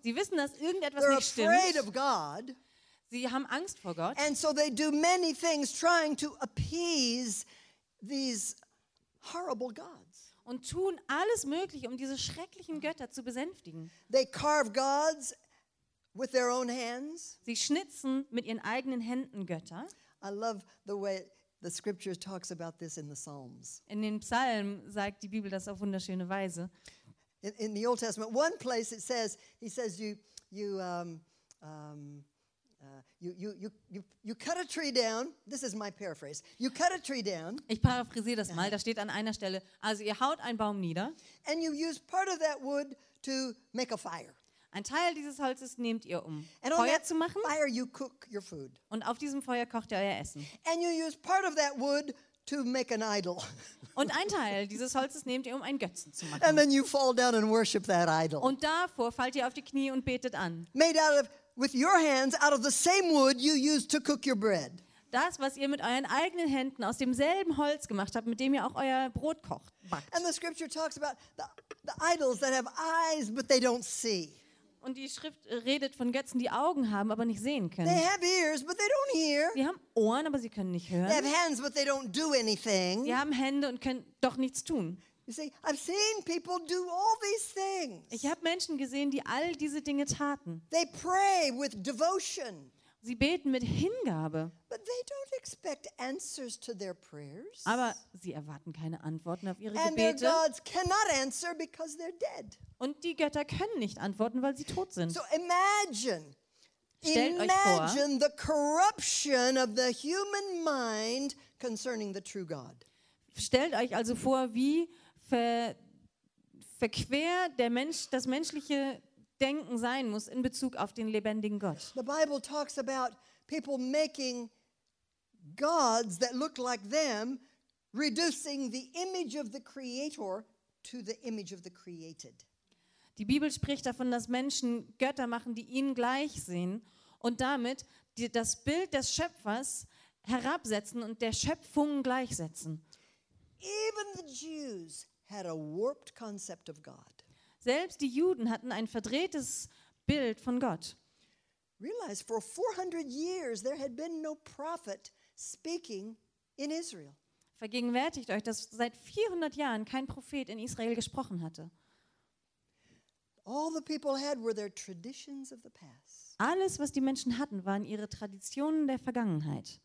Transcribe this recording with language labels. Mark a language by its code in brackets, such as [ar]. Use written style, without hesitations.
[de] Sie wissen, dass irgendetwas [en] they're [de] nicht stimmt. [en] Afraid of God. [de] Sie haben Angst vor Gott. [en] And so they do many things trying to appease these horrible gods. [de] Und tun alles Mögliche, um diese schrecklichen Götter zu besänftigen. [en] They carve gods with their own hands. [de] Sie schnitzen mit ihren eigenen Händen Götter. [en] I love the way the scripture talks about this in the Psalms. [de] In den Psalmen sagt die Bibel das auf wunderschöne Weise. [en] In the Old Testament, one place it says, he says you cut a tree down. This is my paraphrase. You cut a tree down. [de] Ich paraphrasiere das mal. Da steht an einer Stelle, also ihr haut einen Baum nieder. [en] And you use part of that wood to make a fire. [de] Ein Teil dieses Holzes nehmt ihr, um Feuer zu machen. [en] Fire you cook your food. [de] Und auf diesem Feuer kocht ihr euer Essen. [en] And you use part of that wood to make an idol. [de] Und ein Teil dieses Holzes nehmt ihr, um einen Götzen zu machen. [en] And then you fall down and worship that idol. [de] Und davor fallt ihr auf die Knie und betet an. [en] Made out of, with your hands, out of the same wood you used to cook your bread. [de] Das, was ihr mit euren eigenen Händen aus demselben Holz gemacht habt, mit dem ihr auch euer Brot kocht, backt. [en] And the scripture talks about the idols that have eyes but they don't see. [de] Und die Schrift redet von Götzen, die Augen haben, aber nicht sehen können. [en] They have ears, but they don't hear. [de] Sie haben Ohren, aber sie können nicht hören. [en] They have hands, but they don't do anything. [de] Sie haben Hände und können doch nichts tun. [en] You see, I've seen people do all these things. [de] Ich habe Menschen gesehen, die all diese Dinge taten. [en] They pray with devotion. [de] Sie beten mit Hingabe. [en] But they don't expect answers to their prayers. [de] Aber sie erwarten keine Antworten auf ihre [en] and [de] Gebete. [en] Their gods cannot answer because they're dead. [de] Und die Götter können nicht antworten, weil sie tot sind. [en] So imagine, imagine the corruption of the human mind concerning the true God. [de] Stellt euch also vor, wie verquer der Mensch, das menschliche Denken sein muss in Bezug auf den lebendigen Gott. [en] The Bible talks about people making gods that look like them, reducing the image of the creator to the image of the created. [de] Die Bibel spricht davon, dass Menschen Götter machen, die ihnen gleich sehen und damit das Bild des Schöpfers herabsetzen und der Schöpfung gleichsetzen. [en] Even the Jews had a warped concept of God. [de] Selbst die Juden hatten ein verdrehtes Bild von Gott. [en] Realize, for 400 years there had been no prophet speaking in Israel. [de] Vergegenwärtigt euch, dass seit 400 Jahren kein Prophet in Israel gesprochen hatte. [en] All the people had were their traditions of the past. [de] Alles, was die Menschen hatten, waren ihre Traditionen der Vergangenheit.